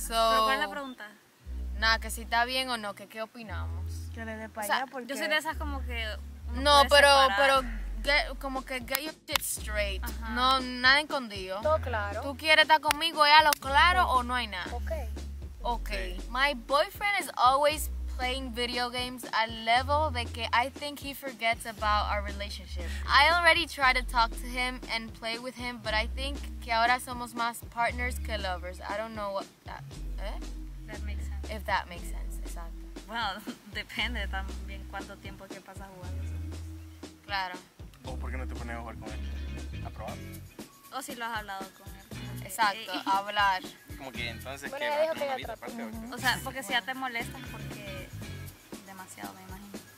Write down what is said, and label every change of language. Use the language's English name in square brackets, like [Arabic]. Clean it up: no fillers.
[Spanish] ¿Cuál es la pregunta? Nada, que si está bien o no, que qué opinamos. Que le dé para allá porque yo soy de esas como que no, pero [English] get your shit straight. [Spanish] Ajá. No, nada escondido. Todo claro. ¿Tú quieres estar conmigo ya lo claro o no hay nada? [English] Okay. My boyfriend is always playing video games at level [Spanish] de que [English] I think he forgets about our relationship. I already tried to talk to him and play with him, but I think [Spanish] que ahora somos más partners que lovers. [English] I don't know what that... That makes sense. If that makes sense, exacto. [Spanish] Bueno, Bueno, depende también cuánto tiempo que pasas jugando. Claro. ¿Vos por qué no te pones a jugar con él? ¿A probar? O si lo has hablado con él. Exacto, hablar. Como que entonces, bueno, ¿qué? Dijo que ya aparte, o sea, porque bueno, si ya te molestas, porque demasiado, me imagino.